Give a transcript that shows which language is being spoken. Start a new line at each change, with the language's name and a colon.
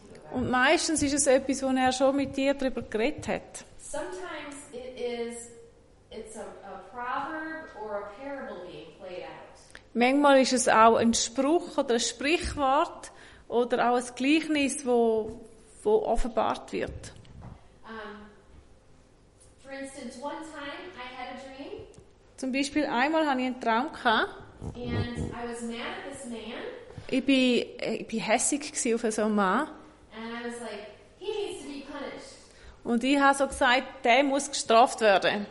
German: Und meistens ist es etwas, wo er schon mit dir darüber geredet hat.
English: Sometimes it's a proverb or a parable being played out.
German: Manchmal ist es auch ein Spruch oder ein Sprichwort oder auch ein Gleichnis, wo offenbart wird.
English: For instance, one time I had a dream.
German: Zum Beispiel einmal hatte ich einen Traum.
English: And I was mad at this man.
German: Ich bin hässig gsi auf so einen Mann.
English: And I was like, he needs to be punished.
German: Und ich habe so gesagt, der muss gestraft werden.